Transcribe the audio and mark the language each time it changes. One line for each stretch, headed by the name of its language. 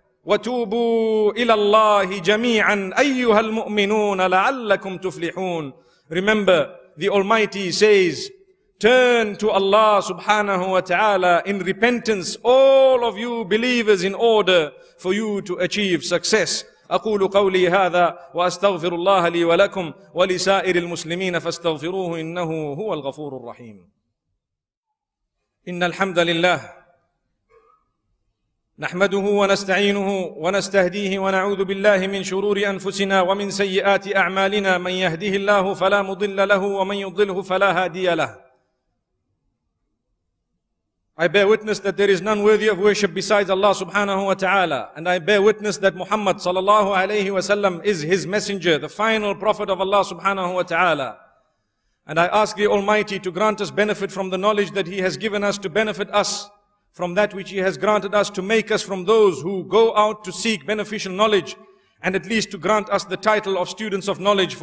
Arabic: وَتُوبُوا إِلَى اللَّهِ جَمِيعًا أَيُّهَا الْمُؤْمِنُونَ لَعَلَّكُمْ تُفْلِحُونَ
English: Remember, the Almighty says, turn to Allah subhanahu wa ta'ala in repentance, all of you believers, in order for you to achieve success.
Arabic: أقول قولي هذا وأستغفر الله لي ولكم ولسائر المسلمين فاستغفروه إنه هو الغفور الرحيم. إن الحمد لله نحمده ونستعينه ونستهديه ونعوذ بالله من شرور أنفسنا ومن سيئات أعمالنا، من يهده الله فلا مضل له ومن يضله فلا هادي له.
English: I bear witness that there is none worthy of worship besides Allah subhanahu wa ta'ala. And I bear witness that Muhammad sallallahu alayhi wa sallam is His messenger, the final prophet of Allah subhanahu wa ta'ala. And I ask the Almighty to grant us benefit from the knowledge that He has given us, to benefit us from that which He has granted us, to make us from those who go out to seek beneficial knowledge, and at least to grant us the title of students of knowledge.